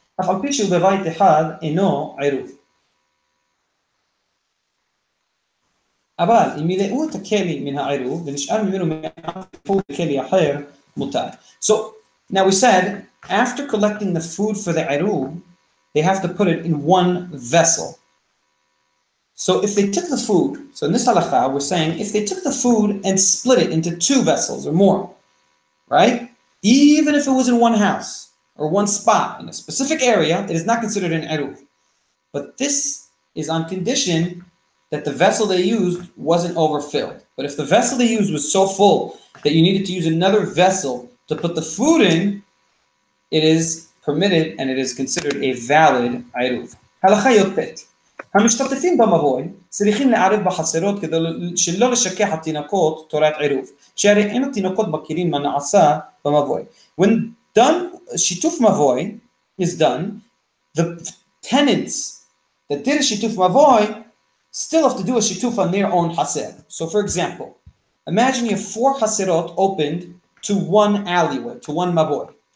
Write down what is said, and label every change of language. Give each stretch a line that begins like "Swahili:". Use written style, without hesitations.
Hebrew: אך על פי שהוא בבית אחד אינו עירוב. אבל אם מילאו את הכלי מן העירוב ונשאר ממנו מהפור בכלי אחר, מותר.
English: So, now we said, after collecting the food for the עירוב, they have to put it in one vessel. So if they took the food, so in this halakha we're saying, if they took the food and split it into two vessels or more, right? Even if it was in one house, or one spot in a specific area, it is not considered an eruv. But this is on condition that the vessel they used wasn't overfilled. But if the vessel they used was so full that you needed to use another vessel to put the food in, it is permitted and it is considered a valid eruv.
Hebrew: Halacha yod bet. המשתתפים במבוי צריכים לערב בחסרות כדי שלא לשכח התינוקות תורת עירוב. שהרי אין התינוקות מכירים מה נעשה במבוי.
English: When done, Shituf Mavoi is done, the tenants that did a Shituf Mavoi still have to do a Shituf on their own Haser. So for example, imagine you have four Haserot opened to one alleyway, to one Mavoi.